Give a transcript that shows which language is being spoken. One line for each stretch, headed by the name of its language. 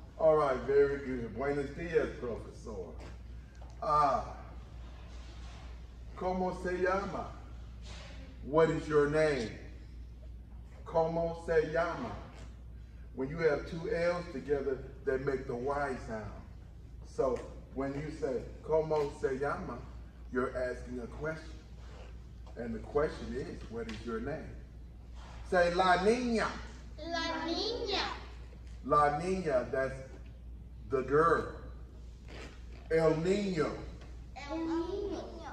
English: All right, very good.
Spanish: Buenos dias, profesor. ¿Cómo se llama?
English: What is your name?
Spanish: ¿Cómo se llama?
English: When you have two L's together, they make the Y sound. So when you say,
Spanish: ¿Cómo se llama?
English: You're asking a question. And the question is, what is your name? Say, La Niña.
Spanish: La Niña.
English: La Niña, that's the girl. El Niño.
Spanish: El Niño.